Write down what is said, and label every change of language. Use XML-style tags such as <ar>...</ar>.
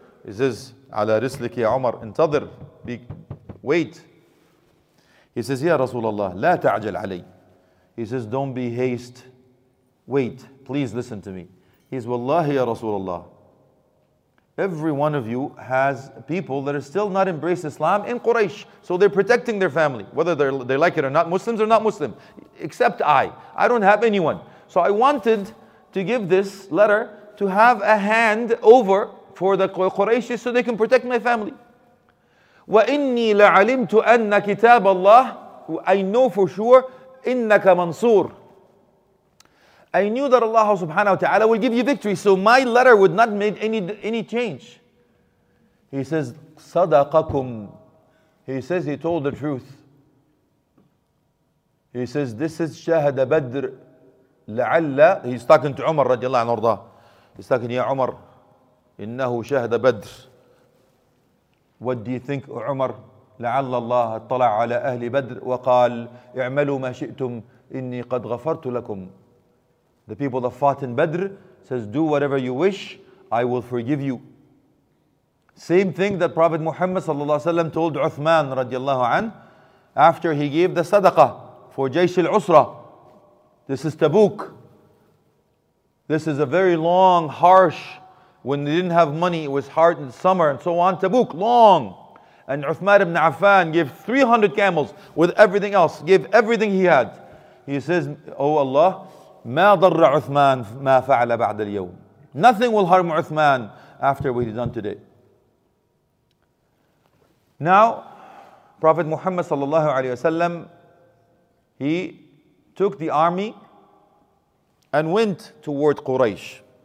<en>He says,</en> <ar>على رسلك يا عمر انتظر.</ar> <en>Wait. He says,</en> <ar>يا رسول الله لا تعجل علي.</ar> <en>He says, don't be haste. Wait, please listen to me. He says,</en> <ar>Wallahi ya Rasulullah.</ar> <en>Every one of you has people that are still not embrace Islam in Quraysh. So they're protecting their family, whether they like it or not, Muslims or not Muslim. Except I don't have anyone. So I wanted to give this letter to have a hand over for the Quraysh so they can protect my family.</en> <ar>وَإِنِّي لَعَلِمْتُ أَنَّ كِتَابَ اللَّهِ</ar> <en>I know for sure,</en> <ar>إِنَّكَ مَنْصُورٌ</ar> <en>I knew that Allah subhanahu wa ta'ala will give you victory, so my letter would not make any change. He says,</en> <ar>صَدَقَكُمْ.</ar> <en>He says he told the truth. He says, this is</en> <ar>شَهَدَ بَدْر لَعَلَّ.</ar> <en>He's talking to Umar radiallahu anhu arda. He's talking, ya Umar,</en> <ar>إِنَّهُ شَهَدَ بَدْر.</ar> <en>What do you think, Umar?</en> <ar>لَعَلَّ اللَّهَ اطَّلَعَ عَلَىٰ أَهْلِ بَدْر وَقَالَ اِعْمَلُوا مَا شِئْتُمْ إِنِّي قَدْ غَفَرْتُ لَكُمْ.</ar> <en>The people that fought in Badr says, do whatever you wish, I will forgive you. Same thing that Prophet Muhammad sallallahu alaihi wasallam told Uthman radiallahu an, after he gave the sadaqah for Jaysh al-Usra. This is Tabuk. This is a very long, harsh, when they didn't have money, it was hard in summer and so on. Tabuk, long. And Uthman ibn Affan gave 300 camels with everything else, gave everything he had. He says, oh Allah,</en> <ar>مَا ضَرَّ عُثْمَان مَا فَعْلَ بَعْدَ الْيَوْمِ.</ar> <en>Nothing will harm Uthman after what he's done today. Now, Prophet Muhammad sallallahu alayhi wa sallam, he took the army and went toward Quraysh.</en>